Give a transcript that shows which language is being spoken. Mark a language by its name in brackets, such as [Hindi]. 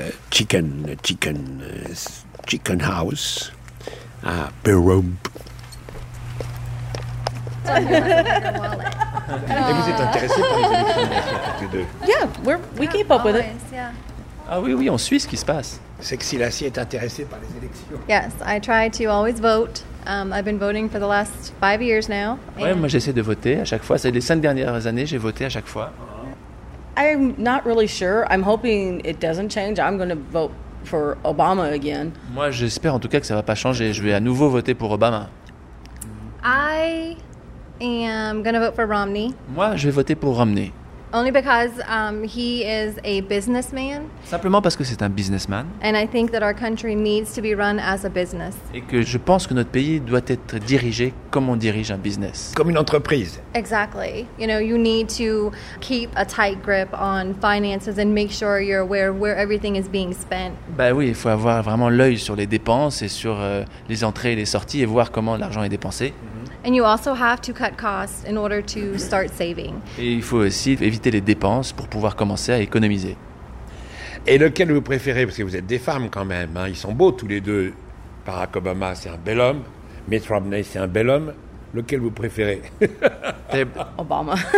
[French] Chicken house à Perope. Et vous êtes intéressés par les téléphones de... [English] Yeah, we keep up with it. Yeah. [French] Ah oui, en Suisse, qu'est-ce qui se passe? C'est que Silassi est intéressé par les élections. [English] Yes, I try to always vote. I've been voting for the last 5 years now. [French] Ouais, moi j'essaie de voter à chaque fois. C'est les 5 dernières années, j'ai voté à chaque fois. [English] I'm not really sure. I'm hoping it doesn't change. I'm going to vote for Obama again. [French] Moi, j'espère en tout cas que ça va pas changer. Je vais à nouveau voter pour Obama. [English] I am going to vote for Romney. [French] Moi, je vais voter pour Romney. [English] Only because he is a businessman. [French] Simplement parce que c'est un businessman. [English] And I think that our country needs to be run as a business. [French] Et que je pense que notre pays doit être dirigé comme on dirige un business. Comme une entreprise. [English] Exactly. You know, you need to keep a tight grip on finances and make sure you're aware where everything is being spent. [French] Ben oui, il faut avoir vraiment l'œil sur les dépenses et sur les entrées et les sorties et voir comment l'argent est dépensé. [English] And you also have to cut costs in order to start saving. [French] Et il faut aussi éviter les dépenses pour pouvoir commencer à économiser. Et lequel vous préférez, parce que vous êtes des femmes quand même, hein. Ils sont beaux tous les deux. Barack Obama, c'est un bel homme. Mitt Romney, c'est un bel homme. Lequel vous préférez? Obama.